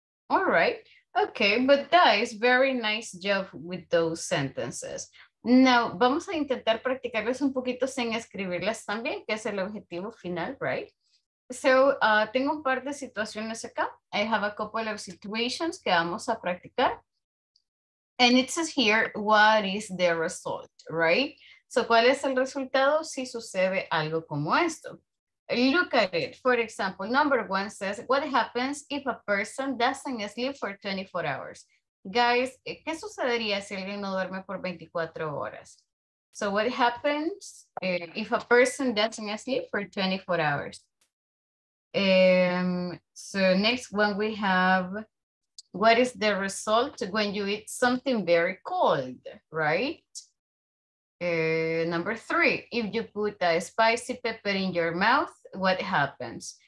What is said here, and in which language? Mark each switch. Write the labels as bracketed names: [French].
[English] All right, okay, but guys, very nice job with those sentences. [Spanish] Now, vamos a intentar practicarles un poquito sin escribirlas también, que es el objetivo final, right? So, tengo un par de situaciones acá. I have a couple of situations que vamos a practicar. [English] And it says here, what is the result, right? [Spanish] So, ¿cuál es el resultado si sucede algo como esto? Look at it. [English] For example, number one says, what happens if a person doesn't sleep for 24 hours? [Spanish] Guys, ¿qué sucedería si alguien no duerme por 24 horas? [English] So what happens if a person doesn't sleep for 24 hours? So next one we have, what is the result when you eat something very cold, right? Number three, if you put a spicy pepper in your mouth, what happens?